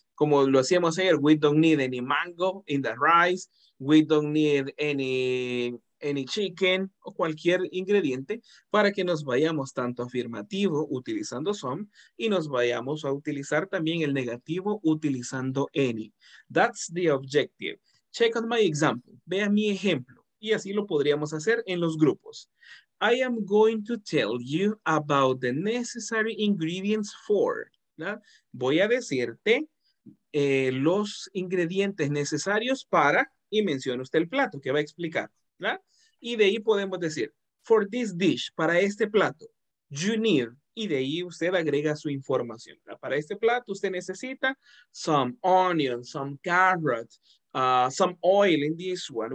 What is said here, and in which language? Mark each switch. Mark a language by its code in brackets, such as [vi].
[es] Como lo hacíamos ayer, [en] we don't need any mango in the rice, we don't need any chicken, [es] o cualquier ingrediente para que nos vayamos tanto afirmativo utilizando some y nos vayamos a utilizar también el negativo utilizando any. [en] That's the objective. Check out my example. [es] Vea mi ejemplo. Y así lo podríamos hacer en los grupos. [en] I am going to tell you about the necessary ingredients for. [es] ¿Verdad? Voy a decirte los ingredientes necesarios para, y menciona usted el plato que va a explicar. ¿Verdad? Y de ahí podemos decir, [en] for this dish, [es] para este plato, [en] you need, [es] y de ahí usted agrega su información. ¿Verdad? Para este plato usted necesita [en] some onions, some carrots, some oil in this one.